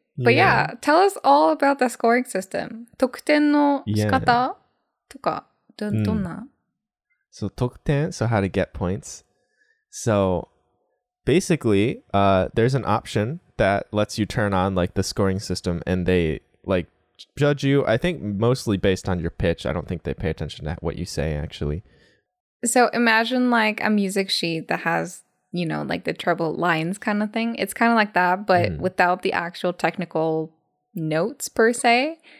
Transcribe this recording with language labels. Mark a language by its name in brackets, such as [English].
[English] But yeah, tell us all about the scoring system. [Japanese] 得点の仕方とか、どんな? [English] So 得点, so how to get points. So basically, there's an option that lets you turn on like the scoring system and they like judge you, I think, mostly based on your pitch. I don't think they pay attention to what you say, actually. So imagine like a music sheet that has, you know, like the treble lines kind of thing. It's kind of like that, but without the actual technical notes per se.